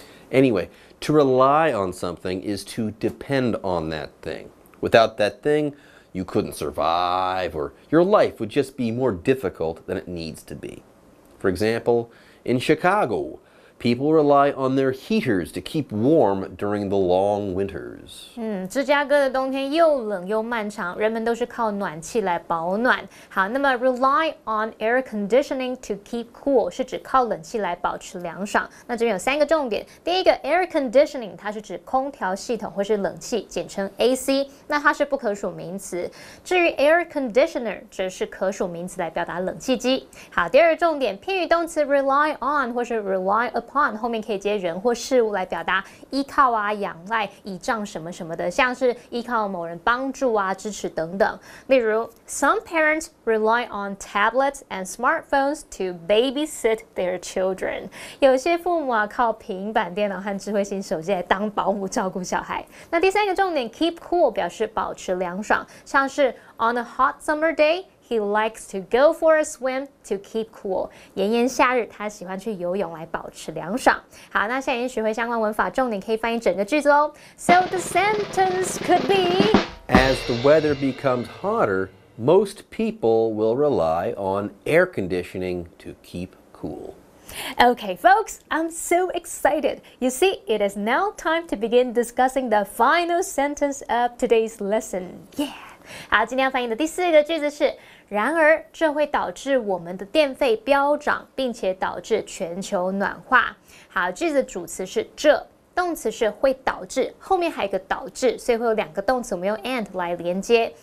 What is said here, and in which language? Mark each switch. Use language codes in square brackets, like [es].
[en] Anyway, to rely on something is to depend on that thing. Without that thing, you couldn't survive, or your life would just be more difficult than it needs to be. For example, in Chicago, People rely on their heaters to keep warm during the long winters. [zh] 芝加哥的冬天又冷又漫长，人们都是靠暖气来保暖。好，那么 [en] rely on air conditioning to keep cool [zh] 是指靠冷气来保持凉爽。那这边有三个重点，第一个 air conditioning 它是指空调系统或是冷气，简称 AC， 那它是不可数名词。至于 air conditioner 则是可数名词来表达冷气机。好，第二个重点，偏语动词 rely on 或是 relyUpon 后面可以接人或事物来表达依靠啊、仰赖、倚仗什么什么的，像是依靠某人帮助啊、支持等等。例如 [en] ，Some parents rely on tablets and smartphones to babysit their children. [zh] 有些父母啊靠平板电脑和智慧型手机来当保姆照顾小孩。那第三个重点 ， [en] keep cool [zh] 表示保持凉爽，像是 [en] On a hot summer day. He likes to go for a swim to keep cool. [zh] 炎炎夏日，他喜欢去游泳来保持凉爽。好，那现在已经学会相关文法，重点可以翻译整个句子哦。 [en] So the sentence could be: As the weather becomes hotter, most people will rely on air conditioning to keep cool. Okay, folks, I'm so excited. You see, it is now time to begin discussing the final sentence of today's lesson. Yeah. [zh] 好，今天要翻译的第四个句子是：然而，这会导致我们的电费飙涨，并且导致全球暖化。好，句子主词是这，动词是会导致，后面还有一个导致，所以会有两个动词，我们用 and 来连接。